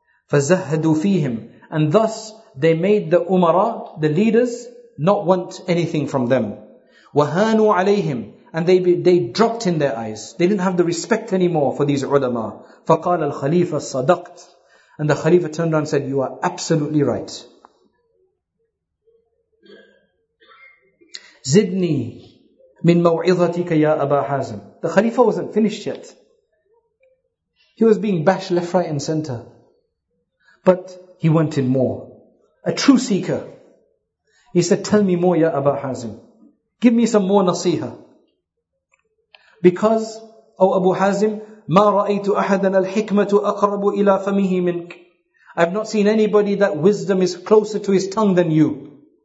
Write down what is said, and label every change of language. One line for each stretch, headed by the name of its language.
Arabic: فَزَهَّدُوا فِيهِمْ
English: And thus, they made the umara, the leaders, not want anything from them.
Arabic: وَهَانُوا عَلَيْهِمْ
English: And they dropped in their eyes. They didn't have the respect anymore for these ulama.
Arabic: فَقَالَ الْخَلِيفَ صَدَقْتِ
English: And the Khalifa turned around and said, You are absolutely right.
Arabic: زِدْنِي مِنْ مَوْعِظَتِكَ يَا أَبَا حَازِمْ
English: The Khalifa wasn't finished yet. He was being bashed left, right and center. But he wanted more. A true seeker. He said, Tell me more, Ya Aba Hazim. Give me some more nasiha. Because, O Abu Hazim,
Arabic: مَا رَأَيْتُ أَحَدًا الْحِكْمَةُ أَقْرَبُ إِلَىٰ فَمِهِ مِنْكَ
English: I've not seen anybody that wisdom is closer to his tongue than you.